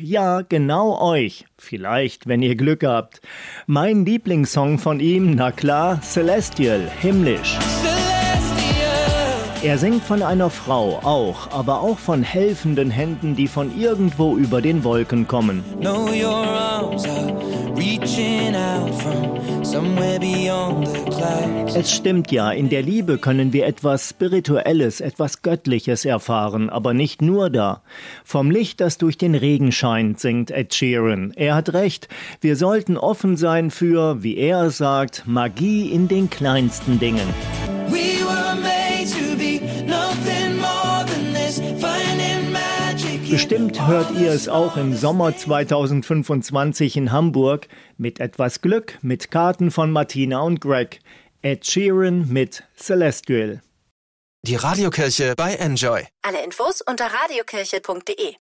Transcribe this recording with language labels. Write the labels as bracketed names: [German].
[German] Ja, genau euch. Vielleicht, wenn ihr Glück habt. Mein Lieblingssong von ihm, na klar, Celestial, himmlisch. Er singt von einer Frau auch, aber auch von helfenden Händen, die von irgendwo über den Wolken kommen. [English] Know your arms are reaching out from somewhere beyond the clouds. [German] Es stimmt ja, in der Liebe können wir etwas Spirituelles, etwas Göttliches erfahren, aber nicht nur da. Vom Licht, das durch den Regen scheint, singt Ed Sheeran. Er hat recht, wir sollten offen sein für, wie er sagt, Magie in den kleinsten Dingen. [English] We were made to be nothing more than this, finding magic. [German] Bestimmt hört ihr es auch im Sommer 2025 in Hamburg. Mit etwas Glück, mit Karten von Martina und Greg. Ed Sheeran mit Celestial. Die Radiokirche bei Enjoy. Alle Infos unter radiokirche.de.